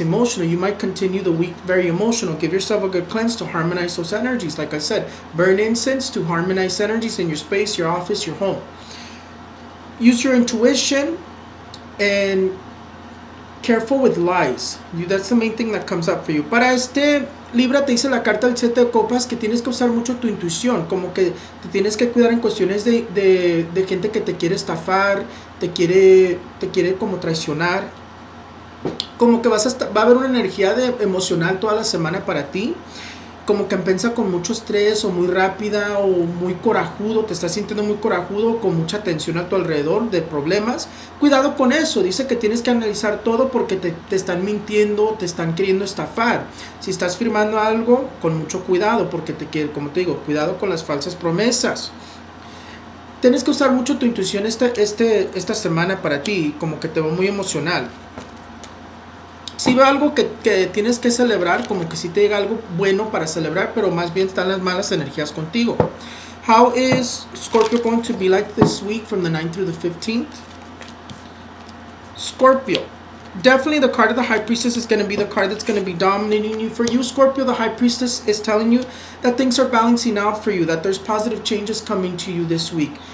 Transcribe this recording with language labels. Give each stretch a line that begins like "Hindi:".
English: Emotional, you might continue the week very emotional. Give yourself a good cleanse to harmonize those energies. Like I said, burn incense to harmonize energies in your space, your office, your home. Use your intuition and careful with lies. That's the main thing that comes up for you.
Spanish: Para este Libra te dice la carta del 7 de copas que tienes que usar mucho tu intuición, como que te tienes que cuidar en cuestiones de gente que te quiere estafar, te quiere como traicionar. Como que va a haber una energía emocional toda la semana para ti. Como que empieza con mucho estrés o muy rápida o muy corajudo. Te estás sintiendo muy corajudo con mucha tensión a tu alrededor de problemas. Cuidado con eso. Dice que tienes que analizar todo porque te están mintiendo, te están queriendo estafar. Si estás firmando algo, con mucho cuidado porque te quiere, como te digo, cuidado con las falsas promesas. Tienes que usar mucho tu intuición esta semana para ti. Como que te veo muy emocional. Si veo algo que tienes que celebrar, como que si te llega algo bueno para celebrar, pero más bien están las malas energías contigo.
English: How is Scorpio going to be like this week from the 9th through the 15th? Scorpio. Definitely the card of the High Priestess is going to be the card that's going to be dominating you. For you, Scorpio, the High Priestess is telling you that things are balancing out for you, that there's positive changes coming to you this week.